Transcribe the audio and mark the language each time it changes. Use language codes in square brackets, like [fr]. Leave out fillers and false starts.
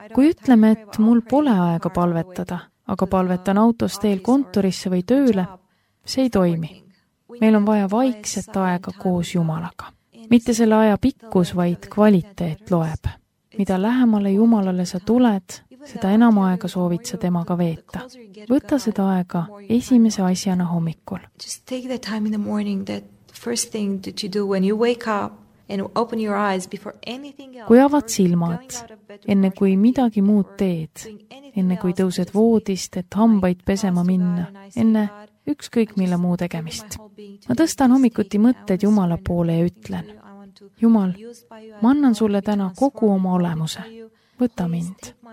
[et] Kui ütleme, et mul pole aega palvetada, aga palvetan autos teel kontorisse või tööle, see ei toimi. Meil on vaja vaikset aega koos Jumalaga. Mitte selle aja pikkus, vaid kvaliteet loeb. Mida lähemale Jumalale sa tuled, seda enam aega soovid sa temaga veeta. Võta seda aega esimese asjana hommikul. [en] Just take the time in the morning, that first thing that you do when you wake up and open your eyes before anything else. [et] Kui avad silmad, enne kui midagi muud teed, enne kui tõused voodist, et hambaid pesema minna, enne ükskõik mille muu tegemist. Ma tõstan hommikuti mõtted Jumala poole ja ütlen. Jumal, ma annan sulle täna kogu oma olemuse. Võta mind.